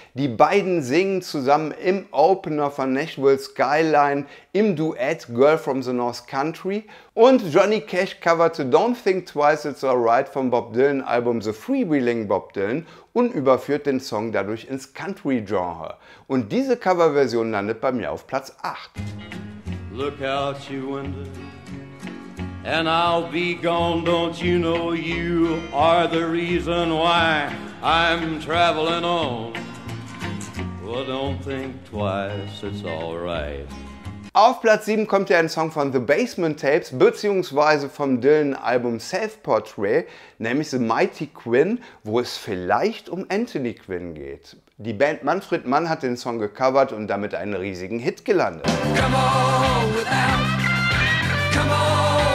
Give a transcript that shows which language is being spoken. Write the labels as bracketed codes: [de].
[de] Die beiden singen zusammen im Opener von Nashville Skyline im Duett Girl from the North Country. Und Johnny Cash coverte Don't Think Twice It's Alright vom Bob Dylan Album The Freewheeling Bob Dylan und überführt den Song dadurch ins Country-Genre. Und diese Coverversion landet bei mir auf Platz 8. [en] Look out your window. And I'll be gone, don't you know you are the reason why I'm traveling on. Well, don't think twice, it's all right. [de] Auf Platz 7 kommt ja ein Song von The Basement Tapes bzw. vom Dylan-Album Self-Portrait, nämlich The Mighty Quinn, wo es vielleicht um Anthony Quinn geht. Die Band Manfred Mann hat den Song gecovert und damit einen riesigen Hit gelandet. [en] Come on without, come on.